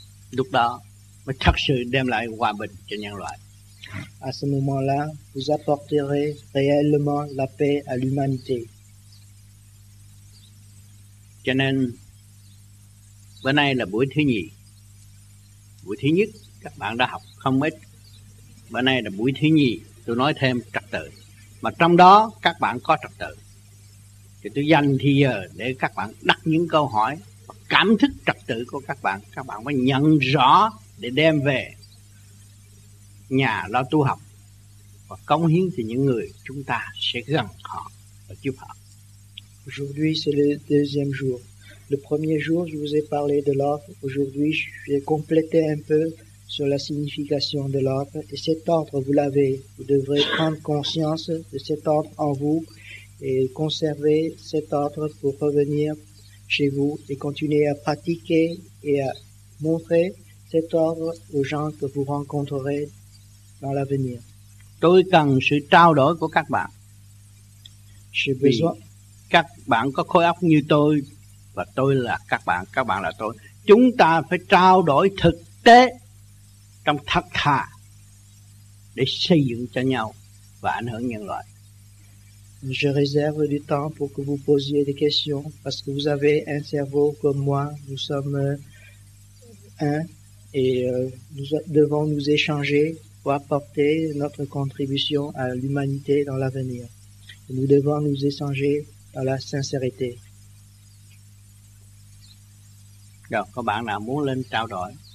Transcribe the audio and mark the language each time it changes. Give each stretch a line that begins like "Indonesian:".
Vietnamese: Lúc đó, mới thật sự đem lại hòa bình cho nhân loại.
French: À ce moment-là, vous apporterez réellement la paix à l'humanité.
Vietnamese: Cho nên, bữa nay là buổi thứ nhì. Buổi thứ nhất, các bạn đã học không ít. Bữa nay là buổi thứ nhì, tôi nói thêm trật tự. Mà trong đó, các bạn có trật tự. Thì tôi dành thì giờ để các bạn đặt những câu hỏi, cảm thức trật tự của các bạn mới nhận rõ để đem về nhà lo tu học và cống hiến cho những người chúng ta sẽ gần họ và giúp họ.
French: Aujourd'hui c'est le deuxième jour. Le premier jour je vous ai parlé de l'ordre. Aujourd'hui je vais compléter un peu sur la signification de l'ordre. Et cet ordre vous l'avez. Vous devrez prendre conscience de cet ordre en vous et conserver cet ordre pour revenir chez vous et continuer à pratiquer et à montrer cet ordre aux gens que vous rencontrerez dans l'avenir.
Vietnamese: Tôi cần sự trao đổi của các bạn.
French: J'ai besoin.
Vietnamese: Các bạn có khối óc như tôi và tôi là các bạn là tôi. Chúng ta phải trao đổi thực tế trong thật thà để xây dựng cho nhau và ảnh hưởng nhân loại.
French: Je réserve du temps pour que vous posiez des questions parce que vous avez un cerveau comme moi. Nous sommes un et nous devons nous échanger pour apporter notre contribution à l'humanité dans l'avenir. Nous devons nous échanger dans la sincérité.
Vietnamese: Rồi, có bạn nào muốn lên trao đổi?